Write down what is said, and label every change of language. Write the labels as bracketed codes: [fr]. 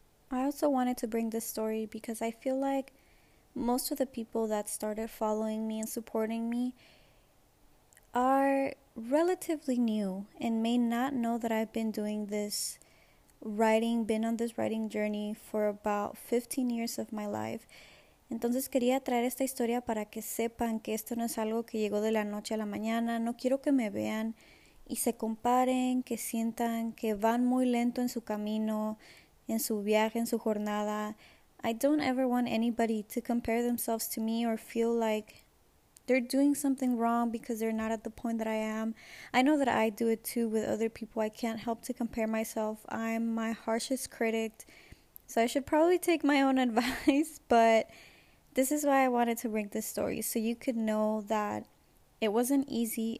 [en] I also wanted to bring this story because I feel like most of the people that started following me and supporting me are relatively new and may not know that I've been doing this writing, been on this writing journey for about 15 years of my life. [es] Entonces quería traer esta historia para que sepan que esto no es algo que llegó de la noche a la mañana. No quiero que me vean y se comparen, que sientan que van muy lento en su camino, en su viaje, en su jornada. [en] I don't ever want anybody to compare themselves to me or feel like they're doing something wrong because they're not at the point that I am. I know that I do it too with other people. I can't help to compare myself. I'm my harshest critic. So I should probably take my own advice, but this is why I wanted to bring this story, so you could know that it wasn't easy.